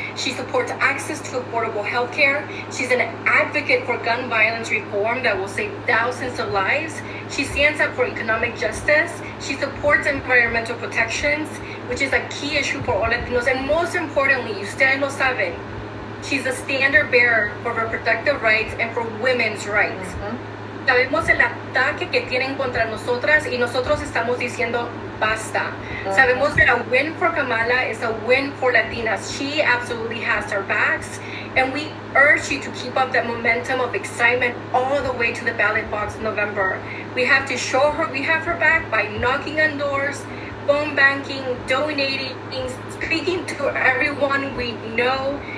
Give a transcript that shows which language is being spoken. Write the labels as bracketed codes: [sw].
[en] She supports access to affordable health care. She's an advocate for gun violence reform that will save thousands of lives. She stands up for economic justice. She supports environmental protections, which is a key issue for all Latinos. And most importantly, [es] ustedes lo saben, [en] she's a standard bearer for reproductive rights and for women's rights. [es] Sabemos el ataque que tienen contra nosotras y nosotros estamos diciendo basta. Sabemos [en] that a win for Kamala is a win for Latinas. She absolutely has our backs, and we urge you to keep up that momentum of excitement all the way to the ballot box in November. We have to show her we have her back by knocking on doors, phone banking, donating, speaking to everyone we know.